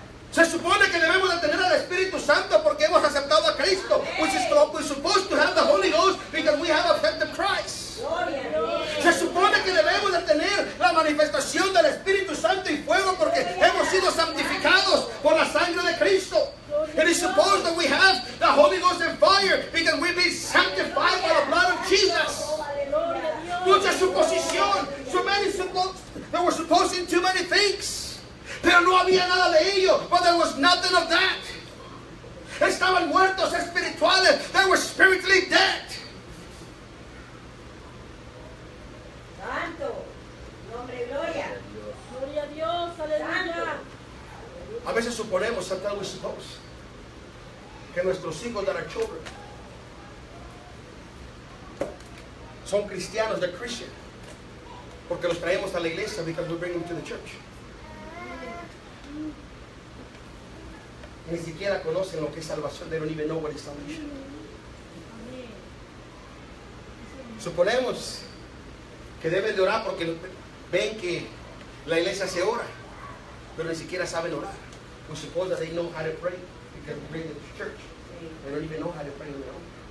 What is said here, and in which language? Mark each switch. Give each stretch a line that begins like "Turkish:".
Spanish: Se supone que debemos de tener al Espíritu Santo porque hemos aceptado a Cristo.
English: Which is we're supposed to have the Holy Ghost because we have accepted Christ.
Spanish: Se supone que debemos de tener la manifestación del Espíritu Santo y fuego porque hemos sido santificados por la sangre de Cristo.
English: It is supposed that we have the Holy Ghost and fire because we've been sanctified by the blood of Jesus.
Spanish: Mucha suposición.
English: So many supposed that we're supposing too many things.
Spanish: Pero no había nada de ello.
English: But there was nothing of that.
Spanish: Estaban muertos espirituales.
English: They were spiritually dead.
Spanish: Santo. Nombre gloria. Gloria a Dios. Aleluya. A veces suponemos,
English: sometimes we suppose,
Spanish: que nuestros hijos,
English: that our children,
Spanish: son cristianos,
English: they're Christian,
Spanish: porque los traemos a la iglesia,
English: because we bring them to the church.
Spanish: Ni siquiera conocen lo que es salvación.
English: They don't even know what is salvation.
Spanish: Suponemos que deben de orar porque ven que la iglesia se ora, pero ni siquiera saben orar.
English: We suppose that they know how to pray because we pray in the church. They don't even know how to pray on their own.